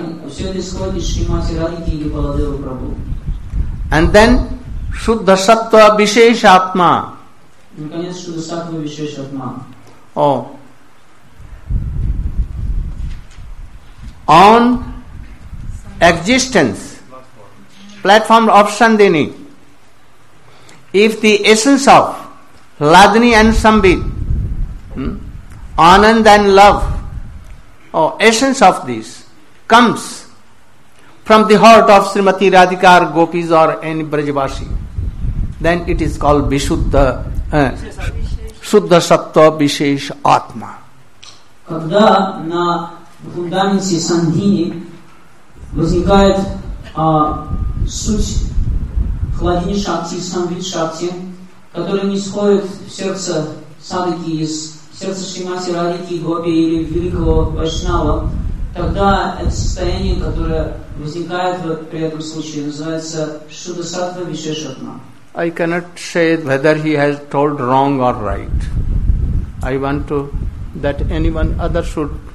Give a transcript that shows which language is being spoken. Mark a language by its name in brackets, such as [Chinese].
[Russian] Все это исходит из Srimati Radhika или Baladev Prabhu. [English] And then Shuddha Sattva Visheshatma. [Russian] Наконец, Shuddha Sattva Visheshatma. [English] On existence, platform of Sandini, if the essence of Ladini and Sambit, Anand and love, or essence of this, comes from the heart of Srimati Radhika or Gopis or any Brajavasi, then it is called Vishuddha, Shuddha Sattva Vishesh Atma. [Russian] Когда на в фундаменте сандини возникает суть хладини шакти, самвид шакти, которые нисходят в сердце садыки, из сердца Шримати Радики, Гопи или великого Вайшнава, тогда это состояние, которое возникает при этом случае, называется Шудасатва Вишешатма. [English] I cannot say whether he has told wrong or right. I want to that anyone other should.